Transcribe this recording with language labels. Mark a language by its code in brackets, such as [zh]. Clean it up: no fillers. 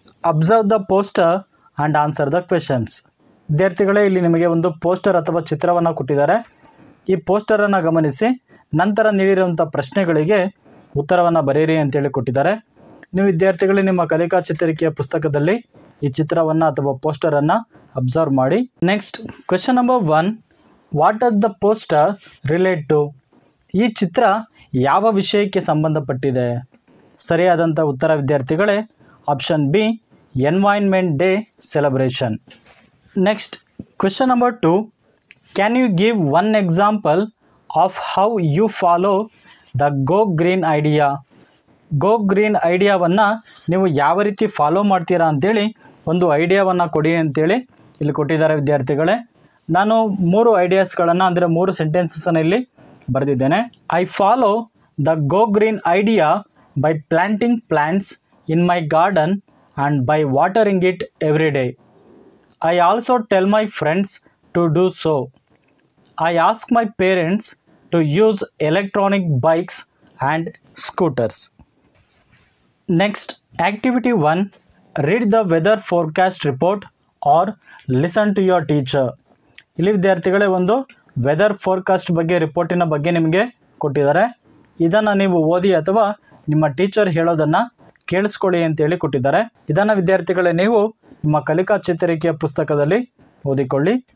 [en] Observe the poster and answer the questions. [kn] ವಿದ್ಯಾರ್ಥಿಗಳೇ ಇಲ್ಲಿ ನಿಮಗೆ ಒಂದು ಪೋಸ್ಟರ್ ಅಥವಾ ಚಿತ್ರವನ್ನು ಕೊಟ್ಟಿದ್ದಾರೆ. ಈ ಪೋಸ್ಟರ್ ಅನ್ನು ಗಮನಿಸಿ ನಂತರ ನೀಡಿರುವಂತಹ ಪ್ರಶ್ನೆಗಳಿಗೆ ಉತ್ತರವನ್ನು ಬರೆಯಿರಿ ಅಂತ ಹೇಳಿ ಕೊಟ್ಟಿದ್ದಾರೆ. ನೀವು ವಿದ್ಯಾರ್ಥಿಗಳೇ ನಿಮ್ಮ ಕಲಿಕಾ ಚಿತ್ರಿಕೆಯ ಪುಸ್ತಕದಲ್ಲಿ ಈ ಚಿತ್ರವನ್ನು ಅಥವಾ ಪೋಸ್ಟರ್ ಅನ್ನು ಅಬ್ಸರ್ವ್ ಮಾಡಿ. [en] Next question number 1, what is the poster relate to? [kn] ಈ ಚಿತ್ರ ಯಾವ ವಿಷಯಕ್ಕೆ ಸಂಬಂಧಪಟ್ಟಿದೆ? ಸರಿಯಾದಂಥ ಉತ್ತರ ವಿದ್ಯಾರ್ಥಿಗಳೇ option B, environment day celebration. [en] Next question number 2, can you give one example of how you follow the go green idea? [kn] Go green ಐಡಿಯಾವನ್ನು ನೀವು ಯಾವ ರೀತಿ ಫಾಲೋ ಮಾಡ್ತೀರಾ ಅಂತೇಳಿ ಒಂದು ಐಡಿಯಾವನ್ನು ಕೊಡಿ ಅಂತೇಳಿ ಇಲ್ಲಿ ಕೊಟ್ಟಿದ್ದಾರೆ ವಿದ್ಯಾರ್ಥಿಗಳೇ. ನಾನು ಮೂರು ಐಡಿಯಾಸ್ಗಳನ್ನು ಅಂದರೆ ಮೂರು ಸೆಂಟೆನ್ಸಸ್ಸನ್ನು ಇಲ್ಲಿ ಬರೆದಿದ್ದೇನೆ. [en] I follow the go green idea by planting plants in my garden and by watering it every day. I also tell my friends to do so. I ask my parents to use electronic bikes and scooters. Next, activity 1, read the weather forecast report or listen to your teacher. [kn] ಇಲ್ಲಿ ವಿದ್ಯಾರ್ಥಿಗಳೇ ಒಂದು weather forecast ಬಗ್ಗೆ ರಿಪೋರ್ಟಿನ ಬಗ್ಗೆ ನಿಮಗೆ ಕೊಟ್ಟಿದ್ದಾರೆ. ಇದನ್ನು ನೀವು ಓದಿ ಅಥವಾ ನಿಮ್ಮ ಟೀಚರ್ ಹೇಳೋದನ್ನು ಕೇಳಿಸ್ಕೊಳ್ಳಿ ಅಂತೇಳಿ ಕೊಟ್ಟಿದ್ದಾರೆ. ಇದನ್ನು ವಿದ್ಯಾರ್ಥಿಗಳೇ ನೀವು ನಿಮ್ಮ ಕಲಿಕಾ ಚೇತರಿಕೆಯ ಪುಸ್ತಕದಲ್ಲಿ ಓದಿಕೊಳ್ಳಿ.